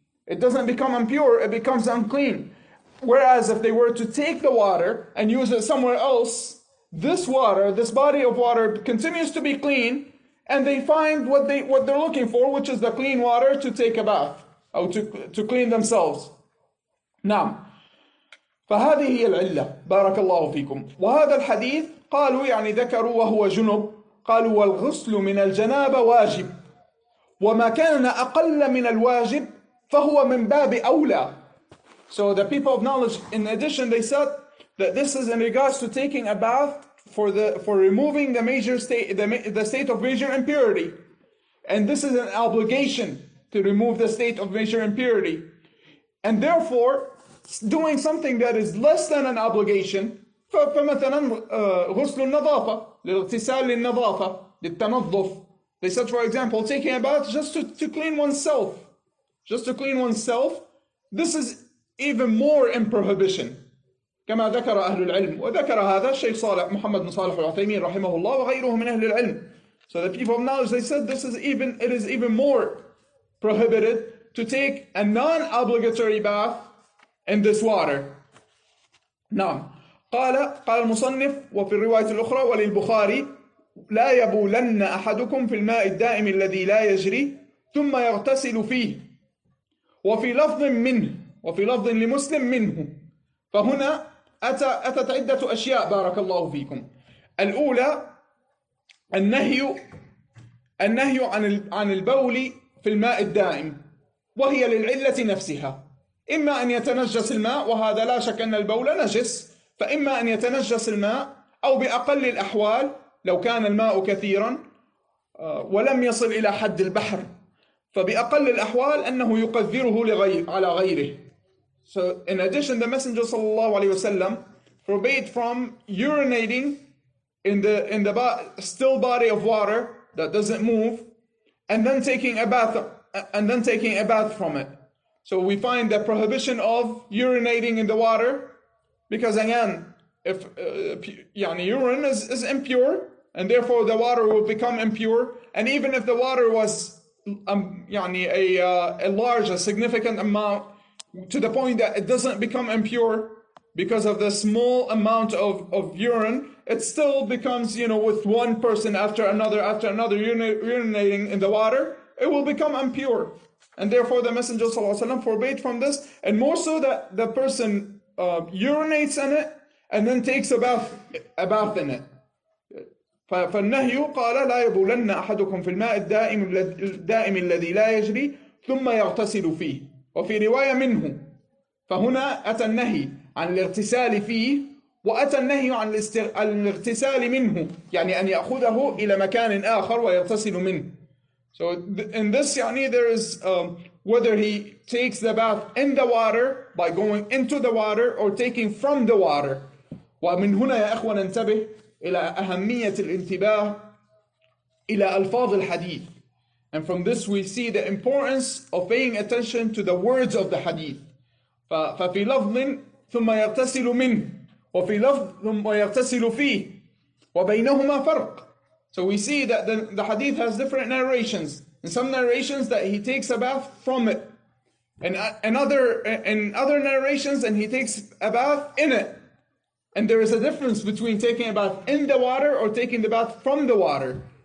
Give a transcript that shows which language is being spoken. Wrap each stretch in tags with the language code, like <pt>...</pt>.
<en>It doesn't become impure; it becomes unclean. Whereas if they were to take the water and use it somewhere else, this body of water continues to be clean, and they find what they're looking for, which is the clean water to take a bath or to clean themselves.</en> <ar>نعم. فهذه هي العلة. بارك الله فيكم. وهذا الحديث قالوا يعني ذكروا وهو جنب. قالوا والغسل من الجنابة واجب. وما كان أقل من الواجب فهو من باب أولى.</ar> <en>So the people of knowledge, in addition, they said that this is in regards to taking a bath for removing the major state, the state of major impurity, and this is an obligation to remove the state of major impurity, and therefore doing something that is less than an obligation,</en> <ar>فمثلا غسل النظافة للاغتسال للنظافة للتنظف.</ar> <en>They said, for example, taking a bath just to clean oneself, this is even more in prohibition.</en> <ar>كما ذكر أهل العلم وذكر هذا الشيخ صالح محمد بن صالح العثيمين رحمه الله وغيره من أهل العلم.</ar> <en>So the people of knowledge, they said it is even more prohibited to take a non-obligatory bath in this water.</en> <ar>نعم. قال المصنف وفي الرواية الأخرى وللبخاري لا يبولن أحدكم في الماء الدائم الذي لا يجري ثم يغتسل فيه وفي لفظ منه وفي لفظ لمسلم منه. فهنا أتت عدة أشياء بارك الله فيكم. الأولى النهي النهي عن البول في الماء الدائم وهي للعلة نفسها، إما أن يتنجس الماء وهذا لا شك أن البول نجس، فإما أن يتنجس الماء أو بأقل الأحوال لو كان الماء كثيرا ولم يصل إلى حد البحر، فبأقل الأحوال أنه يقذره على غيره.</ar> <en>So in addition, the Messenger صلى الله عليه وسلم forbade from urinating in the still body of water that doesn't move, and then taking a bath from it. So we find the prohibition of urinating in the water, because again, if urine is impure, and therefore the water will become impure, and even if the water was a significant amount to the point that it doesn't become impure because of the small amount of urine, it still becomes, you know, with one person after another urinating in the water, it will become impure. And therefore the Messenger صلى الله عليه وسلم forbade from this, and more so that the person urinates in it and then takes a bath in it.</en> <ar>فالنهي قال لا يبولن أحدكم في الماء الدائم الذي لا يجري ثم يغتسل فيه. وفي رواية منه، فهنا أتى النهي عن الاغتسال فيه وأتى النهي عن الاغتسال منه، يعني أن يأخذه إلى مكان آخر ويغتسل منه.</ar> <en>So in this, there is whether he takes the bath in the water by going into the water or taking from the water.</en> <ar>ومن هنا يا أخوة ننتبه إلى أهمية الانتباه إلى ألفاظ الحديث.</ar> <en>And from this we see the importance of paying attention to the words of the hadith.</en> <ar>ففي لفظ من ثم يغتسل منه وفي لفظ ثم يغتسل فيه وبينهما فرق.</ar> <en>So we see that the hadith has different narrations. In some narrations that he takes a bath from it. In other narrations and he takes a bath in it. And there is a difference between taking a bath in the water or taking the bath from the water.</en>